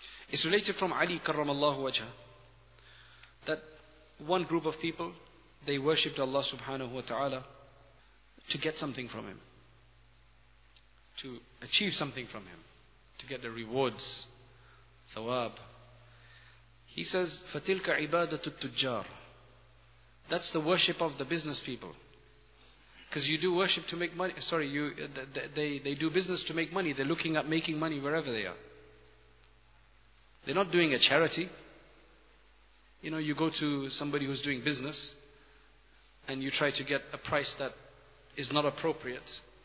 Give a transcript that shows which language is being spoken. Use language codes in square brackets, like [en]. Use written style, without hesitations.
[en] It's related from Ali karramallahu wajha that one group of people, they worshipped Allah subhanahu wa ta'ala to get something from Him, to achieve something from Him, to get the rewards [ar] ثواب. [en] He says, [ar] فَتِلْكَ عِبَادَةُ التُّجَّارِ. [en] That's the worship of the business people. Because you do worship to make money. Sorry, they do business to make money. They're looking at making money wherever they are. They're not doing a charity. You know, you go to somebody who's doing business and you try to get a price that is not appropriate.